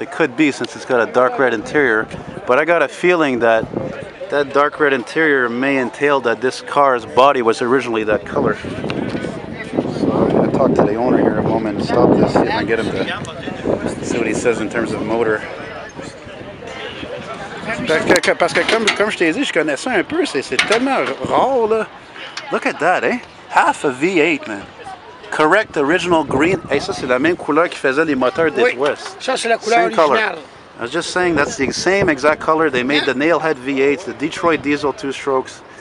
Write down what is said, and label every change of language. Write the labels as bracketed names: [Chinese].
[English] It could be since it's got a dark red interior, but I got a feeling that that dark red interior may entail that this car's body was originally that color. So I'm gonna talk to the owner here a moment and stop this and get him to see what he says in terms of motor. [French] Parce que comme je t'ai dit, je connais ça un peu, c'est tellement rare là. [English] Look at that, eh? Half a V8, man. Correct original green. [French] Hey, ça c'est la même couleur qui faisait les moteurs des West. Ça c'est la couleur originale. [English] I was just saying that's the same exact color they made the Nailhead V8s, the Detroit diesel two strokes.